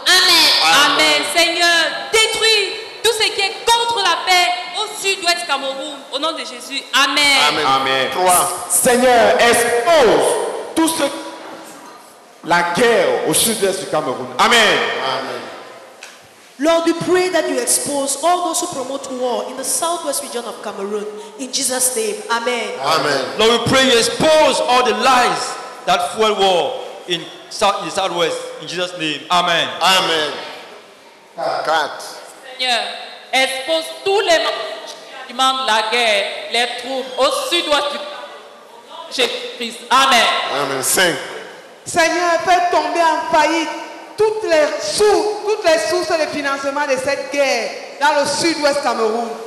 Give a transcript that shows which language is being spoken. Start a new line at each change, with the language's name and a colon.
French: Amen. Amen. Amen. Seigneur, détruis tout ce qui est contre la paix au sud-ouest Cameroun. Au nom de Jésus, amen. Amen. Amen. 3. Seigneur, expose tout ce la guerre au sud-ouest du Cameroun. Amen. Amen.
English: Lord, we pray that you expose all those who promote war in the southwest region of Cameroon. In Jesus' name, amen. Amen. Lord, we pray you expose all the lies that fuel war in the southwest. In Jesus' name, amen. Amen. Cut.
French: Seigneur, expose tous les qui demandent la guerre, les troubles au sud-ouest du Jésus-Christ. Amen. Amen. 5. Seigneur, fais tomber en faillite toutes les sources de financement de cette guerre dans le sud-ouest Cameroun.